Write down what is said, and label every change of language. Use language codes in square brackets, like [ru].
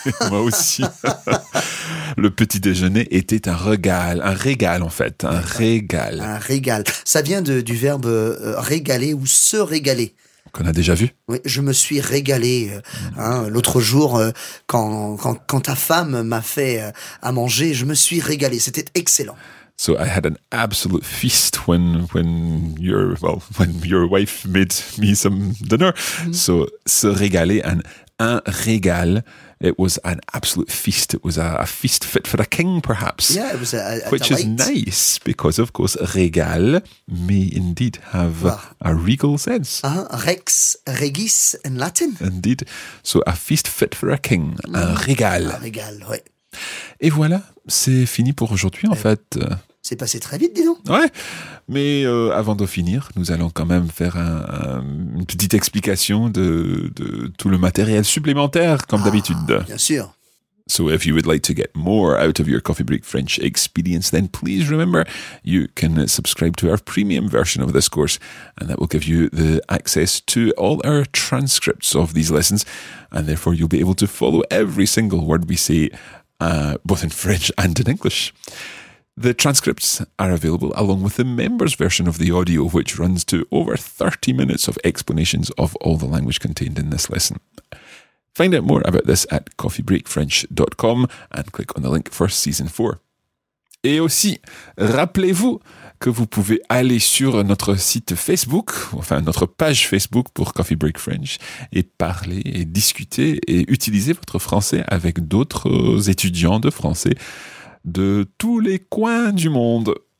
[fr] Moi aussi. Le petit déjeuner était un régal. Un régal, en fait. Un régal. Un régal. Ça vient du verbe régaler ou se régaler. Qu'on a déjà vu. Oui, je me suis régalé l'autre jour quand ta femme m'a fait à manger. Je me suis régalé. C'était excellent. [en] So I had an absolute feast when your wife made me some dinner. Mm-hmm. So se régaler, and un régal, it was an absolute feast. It was a feast fit for a king, perhaps. Yeah, it was a which delight. Is nice because, of course, régal may indeed have a regal sense. [la] Rex regis [en] in Latin. Indeed. So a feast fit for a king, un régal. [fr] Un régal, oui. Et voilà, c'est fini pour aujourd'hui en fait. C'est passé très vite, dis donc. Ouais, mais avant de finir, nous allons quand même faire une petite explication de tout le matériel supplémentaire, comme d'habitude. Bien sûr. [en] So if you would like to get more out of your Coffee Break French experience, then please remember you can subscribe to our premium version of this course, and that will give you the access to all our transcripts of these lessons, and therefore you'll be able to follow every single word we say, both in French and in English. The transcripts are available along with the members' version of the audio, which runs to over 30 minutes of explanations of all the language contained in this lesson. Find out more about this at coffeebreakfrench.com and click on the link for Season 4. [fr] Et aussi, rappelez-vous que vous pouvez aller sur notre site Facebook, enfin notre page Facebook pour Coffee Break French, et parler et discuter et utiliser votre français avec d'autres étudiants de français de tous les coins du monde.